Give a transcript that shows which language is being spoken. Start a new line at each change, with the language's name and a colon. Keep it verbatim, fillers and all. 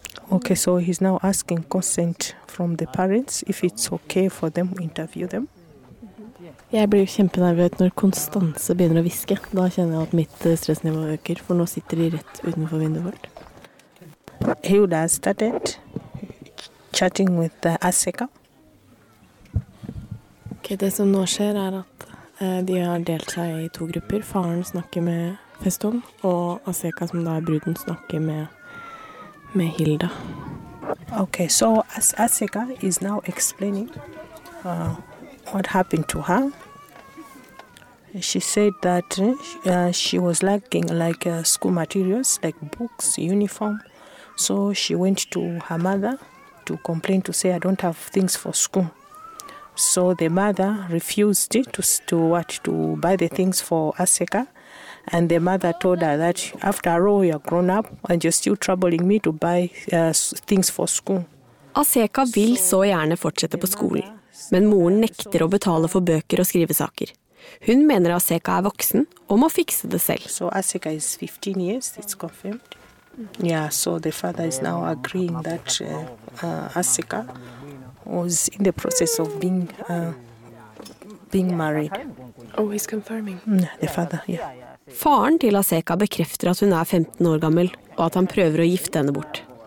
English: Okay, so he's now asking consent from the parents if it's okay for them to interview them.
Norwegian: Jeg blir kjempenervøs når Constance begynner å hviske. Da kjenner jeg at mitt stressnivå øker, for nå sitter de rett utenfor vinduet vårt.
English: Hilda started chatting with Aseka.
Norwegian: Ok, det som nå skjer er at eh, de har delt seg i to grupper. Faren snakker med Feston, og Aseka, som da er bruden, snakker med, med Hilda.
English: Okay, so As- Aseka is now explaining uh, what happened to her. She said that uh, she was lacking like uh, school materials, like books, uniform. So she went to her mother to complain to say, I don't have things for school. So the mother refused to to what to buy the things for Aseka, and the mother told her that after all you're grown up and you're still troubling me to buy uh, things for school.
Norwegian: Aseka vil så gjerne fortsette på skolen, men moren nekter å betale for bøker og skrivesaker. Hun mener Aseka er voksen og må fikse det selv.
English: So Aseka is fifteen years, it's confirmed. Yeah, so the father is now agreeing that uh, uh, Aseka was in the process of being uh, being married. Oh, he's confirming. Mm, the father, yeah.
Norwegian: Faren til Aseka bekrefter at hun er femten år gammel, og at han prøver å gifte henne bort.